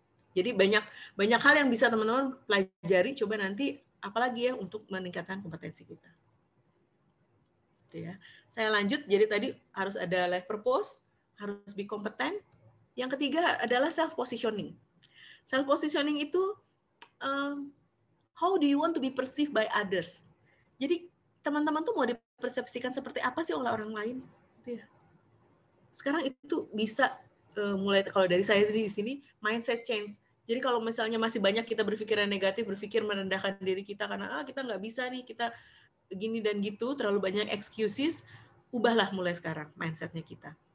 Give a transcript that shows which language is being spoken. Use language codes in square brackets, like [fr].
[id] Jadi banyak hal yang bisa teman-teman pelajari, coba nanti apalagi ya untuk meningkatkan kompetensi kita. Gitu ya. Saya lanjut, jadi tadi harus ada life purpose, harus be competent. Yang ketiga adalah self positioning. [en] Self positioning [id] itu [en] how do you want to be perceived by others? [id] Jadi teman-teman tuh mau dipersepsikan seperti apa sih oleh orang lain? Gitu ya. Sekarang itu bisa mulai kalau dari saya di sini mindset change. Jadi kalau misalnya masih banyak kita berpikiran negatif, berpikir merendahkan diri kita karena kita nggak bisa nih, kita gini dan gitu, terlalu banyak excuses, ubahlah mulai sekarang mindsetnya kita.